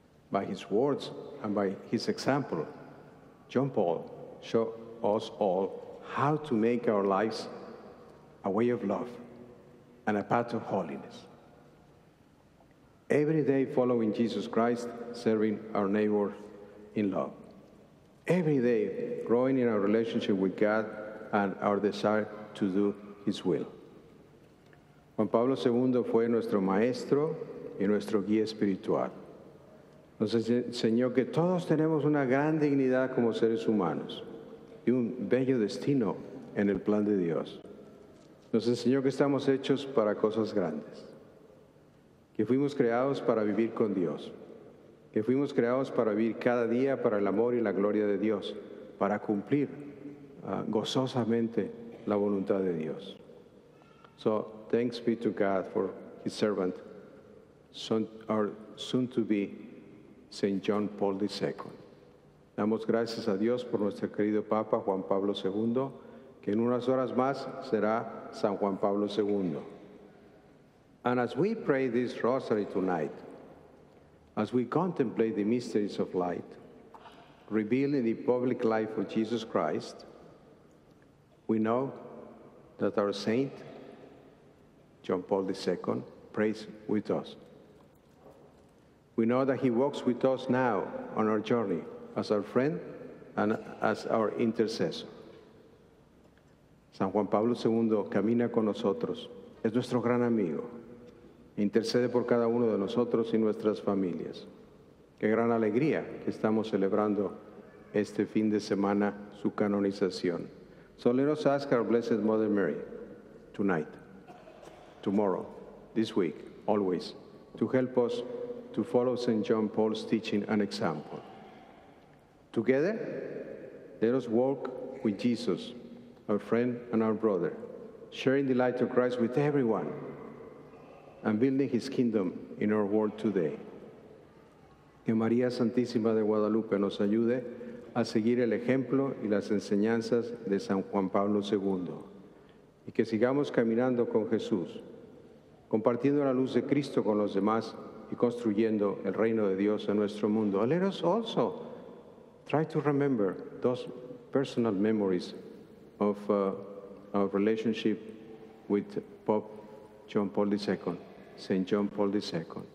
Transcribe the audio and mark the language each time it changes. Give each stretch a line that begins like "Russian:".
English: By his words and by his example, John Paul showed us all how to make our lives a way of love and a path of holiness. Every day following Jesus Christ, serving our neighbor in love. Every day growing in our relationship with God and our desire to do his will.
Spanish: Juan Pablo II fue nuestro maestro y nuestro guía espiritual. Nos enseñó que todos tenemos una gran dignidad como seres humanos y un bello destino en el plan de Dios. Nos enseñó que estamos hechos para cosas grandes, que fuimos creados para vivir con Dios, que fuimos creados para vivir cada día para el amor y la gloria de Dios, para cumplir gozosamente la voluntad de Dios.
English: So, thanks be to God for his servant, soon to be Saint John Paul II.
Spanish: Damos gracias a Dios por nuestro querido Papa Juan Pablo II, que en unas horas más será San Juan Pablo II.
English: And as we pray this rosary tonight, as we contemplate the mysteries of light revealed in the public life of Jesus Christ, we know that our saint, John Paul II, prays with us. We know that he walks with us now on our journey as our friend and as our intercessor.
Spanish: San Juan Pablo II camina con nosotros, es nuestro gran amigo. Intercede por cada uno de nosotros y nuestras familias. Qué gran alegría que estamos celebrando este fin de semana su canonización.
English: So let us ask our Blessed Mother Mary, tonight, tomorrow, this week, always, to help us to follow St. John Paul's teaching and example. Together, let us walk with Jesus, our friend and our brother, sharing the light of Christ with everyone, and building his kingdom in our world today.
Spanish: Que María Santísima de Guadalupe nos ayude a seguir el ejemplo y las enseñanzas de San Juan Pablo II, y que sigamos caminando con Jesús, compartiendo la luz de Cristo con los demás y construyendo el reino de Dios en nuestro mundo.
English: Let us also try to remember those personal memories of our relationship with Pope John Paul II. St. John Paul II.